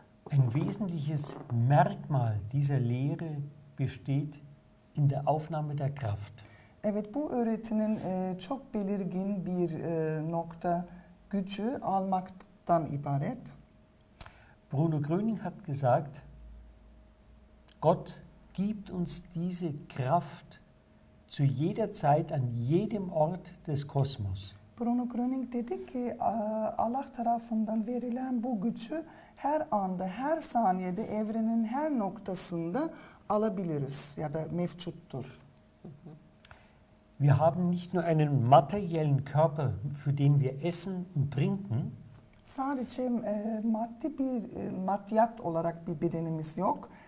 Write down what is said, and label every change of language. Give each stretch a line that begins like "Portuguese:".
German: Ein wesentliches Merkmal dieser Lehre besteht in der Aufnahme der Kraft.
Turkish: Evet, bu öğretinin çok belirgin bir nokta gücü almaktan ibaret.
German: Bruno Gröning hat gesagt, Gott gibt uns diese Kraft zu jeder Zeit an jedem Ort des Kosmos.
Turkish: Bruno Gröning dedi ki Allah tarafından verilen bu gücü her anda, her saniyede, evrenin her noktasında alabiliriz ya da mevcuttur.
German: Wir haben nicht nur einen materiellen Körper, für den wir essen und trinken.
Turkish: Sadece maddi bir maddiyat olarak bir bedenimiz yok.